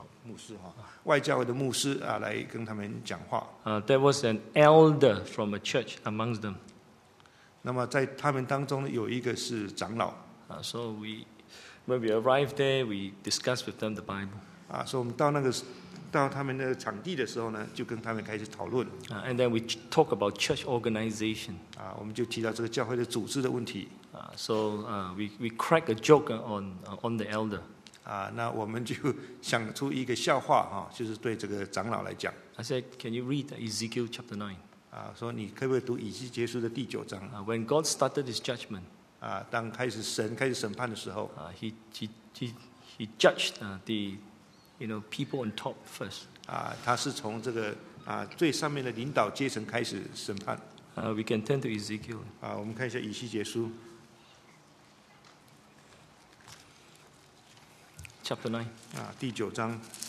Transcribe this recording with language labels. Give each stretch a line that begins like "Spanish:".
Chinese: 牧师外教会的牧师来跟他们讲话。
English: There was an elder from a church amongst them.
Chinese: 那么在他们当中有一个是长老。
English: So we, when we arrived there, we discussed with them the Bible.
Chinese: 所以我们到那个到他们的场地的时候呢，就跟他们开始讨论。
English: And then we talk about church organization.
Chinese: 我们就提到这个教会的组织的问题。
English: So we crack a joke on the elder.
Chinese: 那我们就想出一个笑话就是对这个长老来讲。
English: I said, can you read Ezekiel chapter 9?
Chinese: 说你可不可以读以西结书的第九章。
English: When God started his judgment,
Chinese: 当开始神开始审判的时候。
English: He judged the you know, people on top first.
Chinese: 他是从这个最上面的领导阶层开始审判。
English: We can turn to Ezekiel.
Chinese: 我们看一下以西结书。
English: Chapter 9.
Chinese: 第九章。